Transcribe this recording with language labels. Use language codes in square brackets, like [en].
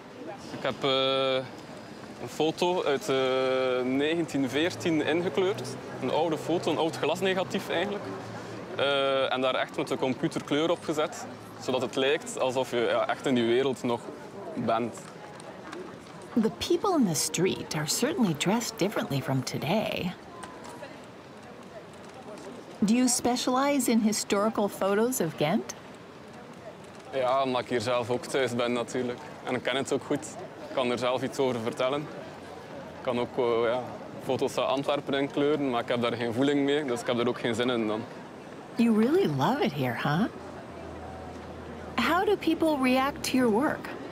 [nl] Ik heb een foto uit 1914 ingekleurd. Een oude foto, een oud glasnegatief eigenlijk. En daar echt met de computer kleur op gezet, zodat het lijkt alsof je echt in die wereld nog bent. [en] The people in the street are certainly dressed differently from today. Do you specialize in historical photos of Ghent? [nl] Ja, omdat ik hier zelf ook thuis ben natuurlijk. En ik ken het ook goed. Ik kan er zelf iets over vertellen. Ik kan ook foto's van Antwerpen inkleuren, maar ik heb daar geen voeling mee, dus ik heb er ook geen zin in dan. [en] You really love it here, huh? How do people react to your work?